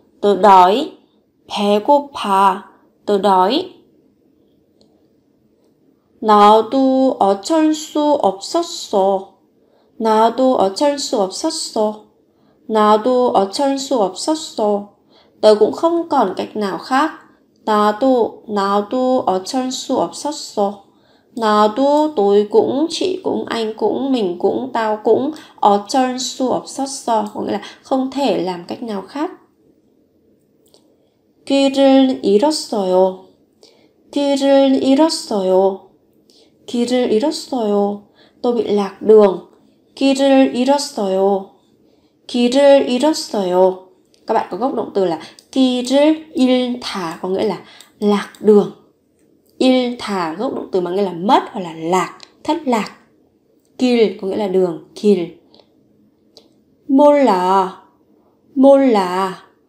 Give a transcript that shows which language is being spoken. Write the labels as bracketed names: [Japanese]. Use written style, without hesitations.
[Vietnamese] Tôi đói. [Korean] 배고파, [Vietnamese] tôi đói. [Korean] 나도 어쩔 수 없었어. 나도 어쩔 수 없었어. 나도 어쩔 수 없었어. [Vietnamese] Tôi cũng không còn cách nào khác. [Korean] 나도, 나도 어쩔 수 없었어. 나도, [Vietnamese] tôi cũng, chị cũng, anh cũng, mình cũng, tao cũng. [Korean] 어쩔 수 없었어, [Vietnamese] có nghĩa là không thể làm cách nào khác. [Korean] 길을 잃었어요, 길을 잃었어요, 길을 잃었어요. [Vietnamese] Tôi bị lạc đường. [Korean] 길을 잃었어요, 길을 잃었어요. [Vietnamese] Các bạn có gốc động từ là [Korean] 길을 잃다, [Vietnamese] có nghĩa là lạc đường. Il thả gốc động từ mà nghĩa là mất hoặc là lạc, thất lạc. Kil có nghĩa là đường, kil. [Korean] Mola, mola,